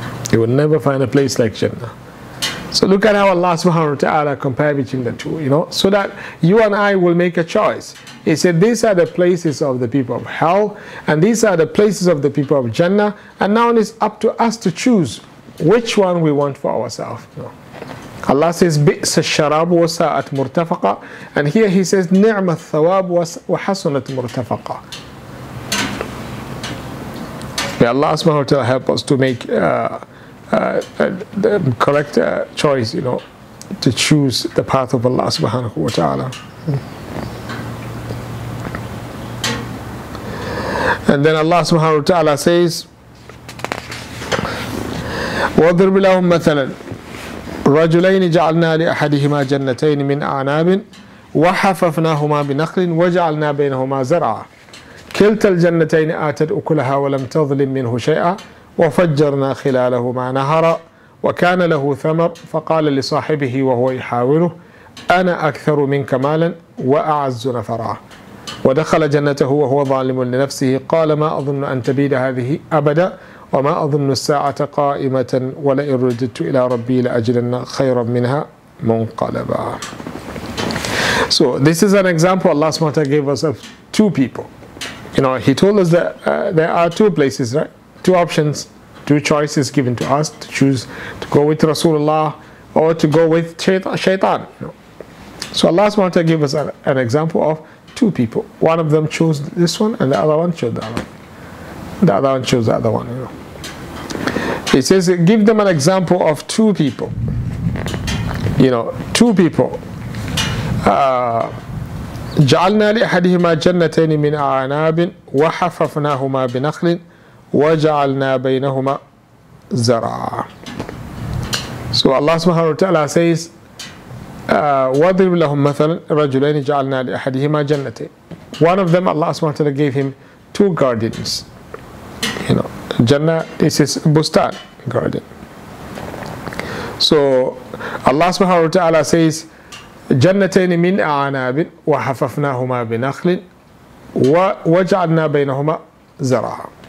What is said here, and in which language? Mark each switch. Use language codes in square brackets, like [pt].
[en] You will never find a place like Jannah. So look at how Allah subhanahu wa ta'ala compared between the two, you know, so that you and I will make a choice. He said, these are the places of the people of hell, and these are the places of the people of Jannah, and now it's up to us to choose which one we want for ourselves. You know? Allah says, [ar] بِئْسَ الشَّرَابُ وَسَاءَتْ مُرْتَفَقَ. [en] And here he says, [ar] نِعْمَ الثَّوَابُ وَحَسُنَتْ مُرْتَفَقَ. [en] May Allah subhanahu wa ta'ala help us to make the correct choice, you know, to choose the path of Allah subhanahu wa ta'ala. And then Allah subhanahu wa ta'ala says, [ar] وَضْرِبْ لَهُمْ مَثَلًا رَجُلَيْنِ جَعَلْنَا لِأَحَدِهِمَا جَنَّتَيْنِ مِنْ أَعْنَابٍ وَحَفَفْنَاهُمَا بِنَخْلٍ وَجَعَلْنَا بَيْنَهُمَا زَرْعًا كِلْتَ الْجَنَّتَيْنِ آتَتْ أُكُلَهَا وَلَمْ تَظْلِمْ مِنْهُ شَيْئًا وَفَجَّرْنَا خِلَالَهُمَا نَهَرًا وَكَانَ لَهُ ثَمَرٌ فَقَالَ لِصَاحِبِهِ وَهُوَ يُحَاوِرُهُ أَنَا أَكْثَرُ مِنْكَ مَالًا وَأَعَزُّ نَفَرًا وَدَخَلَ جَنَّتَهُ وَهُوَ ظَالِمٌ لِنَفْسِهِ قَالَ مَا أَظُنُّ أَنْ تَبِيدَ هَذِهِ أَبَدًا وما أظن الساعة قائمة ولئن رددت إلى ربي لأجلن خيرا منها منقلبا. [en] So this is an example Allah subhanahu wa ta'ala gave us of two people. You know, He told us that there are two places, right? Two options, two choices given to us to choose to go with Rasulullah or to go with Shaytan. No. So Allah subhanahu wa ta'ala gave us an example of two people. One of them chose this one and the other one chose that one. The other one chose the other one. You know. It says, give them an example of two people. You know, two people. [ar] جَعَلْنَا لِأَحَدِهِمَا جَنَّتَيْنِ مِنْ أَعْنَابٍ وَحَفَفْنَاهُمَا بِنَخْلٍ وَجَعَلْنَا بَيْنَهُمَا زَرَعًا. [en] So Allah subhanahu wa ta'ala says, [ar] وَضْرِبْ لَهُمْ مَثَلًا رَجُلَيْنِ جَعَلْنَا لِأَحَدِهِمَا جَنَّتَيْنِ. [en] One of them, Allah subhanahu wa ta'ala gave him two gardens. You know, Jannah, this is Bustan garden. So Allah subhanahu wa ta'ala says, [ar] جنتين من أعناب وحففناهما بنخل وجعلنا بينهما زرعا.